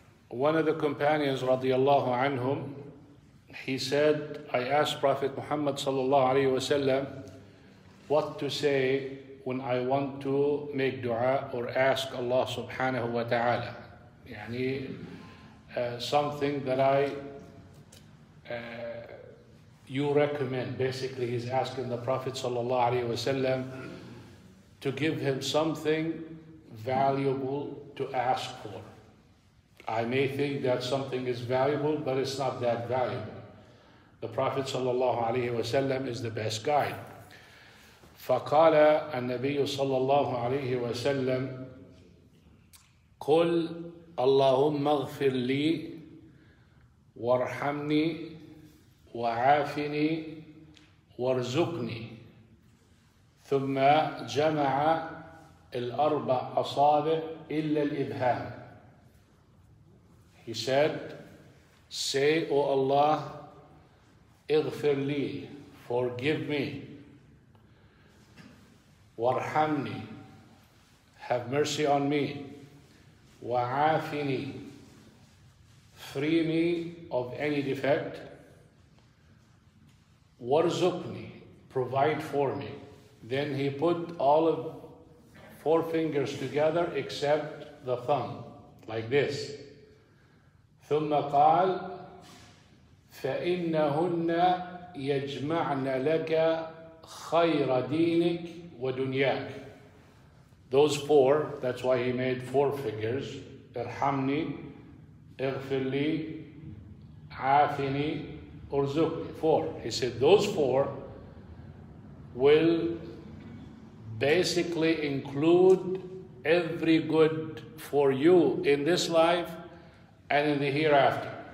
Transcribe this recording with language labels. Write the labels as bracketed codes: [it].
[en] One of the companions [ar] رضي الله عنهم, [en] he said, I asked Prophet Muhammad [ar] صلى الله عليه وسلم [en] what to say when I want to make dua or ask Allah [ar] سبحانه وتعالى. [en] يعني something that I you recommend. Basically, he's asking the Prophet sallallahu alaihi wasallam to give him something valuable to ask for. I may think that something is valuable, but it's not that valuable. The Prophet sallallahu alaihi wasallam is the best guide. [ar] فَقَالَ النَّبِيُّ صَلَّى اللَّهُ عَلَيْهِ وَسَلَّمْ قُلْ اللهم اغفر لي وارحمني وعافني وارزقني. ثم جمع الأربع أصابع إلا الإبهام. [en] He said, say, O Allah, [ar] اغفر لي, [en] forgive me, وارحمني, have mercy on me, وعافني, free me of any defect, وارزقني, provide for me. Then he put all of four fingers together except the thumb, like this. [ar] ثم قال فإنهن يجمعن لك خير دينك ودنياك. [en] Those four, that's why he made four figures. Irhamni, Irfili, Afini, Urzukni. Four. He said those four will basically include every good for you in this life and in the hereafter.